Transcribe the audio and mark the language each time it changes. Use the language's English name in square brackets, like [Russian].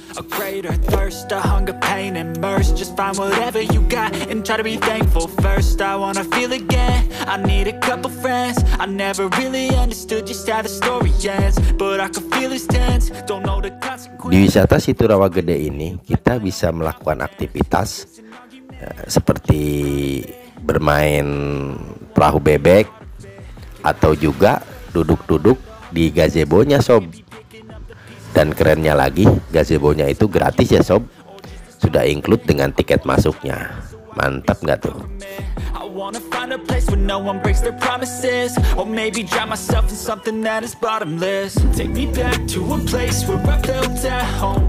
[English] A greater thirst, a hunger, pain, immersed. Just find whatever you got and try to be thankful first. I wanna feel again, I need a couple friends. I never really understood just how the story ends, but I could feel his tense, don't know the consequence. [Indonesian] Di wisata Situ Rawa Gede ini, kita bisa melakukan aktivitas seperti bermain perahu bebek atau juga duduk-duduk di gazebonya sob. Dan kerennya lagi, gazebonya itu gratis ya sob. Sudah include dengan tiket masuknya. Mantap gak tuh? [English] I wanna find a place where no one breaks their promises, or maybe drown myself in something that is bottomless. Take me back to a place where I felt at home.